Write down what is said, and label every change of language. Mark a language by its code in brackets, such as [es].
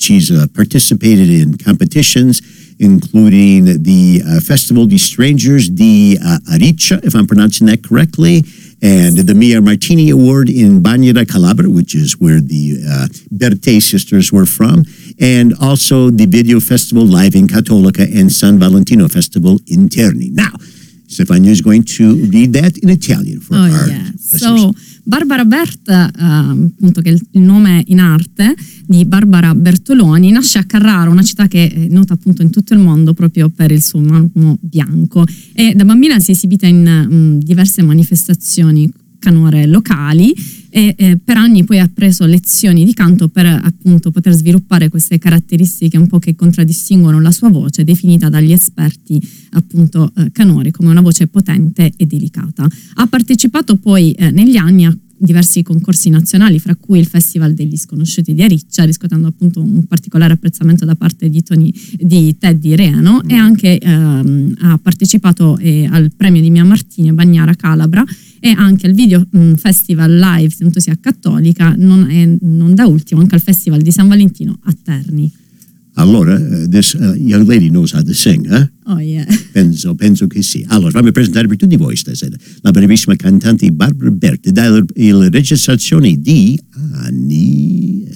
[en] She's participated in competitions, including the Festival di Strangers di Ariccia, if I'm pronouncing that correctly, and the Mia Martini Award in Bagna da Calabria, which is where the Bertè sisters were from, and also the Video Festival Live in Cattolica and San Valentino Festival in Terni. Now, Stefania is going to read that in Italian for listeners. [it] So, Barbara Bert, appunto che è il nome in arte di Barbara Bertoloni, nasce a Carrara, una città che è nota appunto in tutto il mondo proprio per il suo marmo bianco. E da bambina si è esibita in diverse manifestazioni canore locali e per anni poi ha preso lezioni di canto per appunto poter sviluppare queste caratteristiche un po' che contraddistinguono la sua voce, definita dagli esperti appunto canori come una voce potente e delicata. Ha partecipato poi negli anni a diversi concorsi nazionali, fra cui il Festival degli Sconosciuti di Ariccia, riscuotendo appunto un particolare apprezzamento da parte di Teddy Reno, e anche ha partecipato al premio di Mia Martini a Bagnara Calabra e anche al Video Festival Live, tenutosi a Cattolica, non da ultimo anche al Festival di San Valentino a Terni. [en] Allora, this young lady knows how to sing, eh? Oh, yeah. [it] Penso che sì. Allora, fammi presentare per tutti voi stasera la bravissima cantante Barbara Bert, dalla registrazione di anni...